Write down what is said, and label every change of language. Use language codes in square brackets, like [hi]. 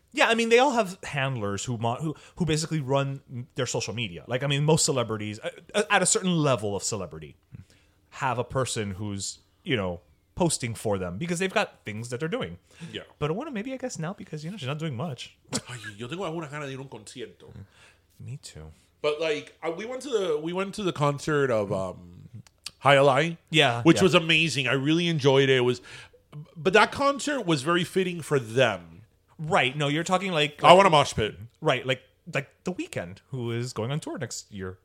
[en] Yeah, I mean, they all have handlers who basically run their social media. Like, I mean, most celebrities, at a certain level of celebrity, have a person who's, you know, posting for them because they've got things that they're doing. Yeah. But I want to maybe, I guess, now because, you know, she's not doing much. [es] Yo tengo alguna gana de ir a un concierto. [en] Me too. But, like, we went to the concert of Hialeah. Yeah. Which yeah. was amazing. I really enjoyed it. But that concert was very fitting for them. Right. No, you're talking like... I want a mosh pit. Right. Like The Weeknd, who is going on tour next year.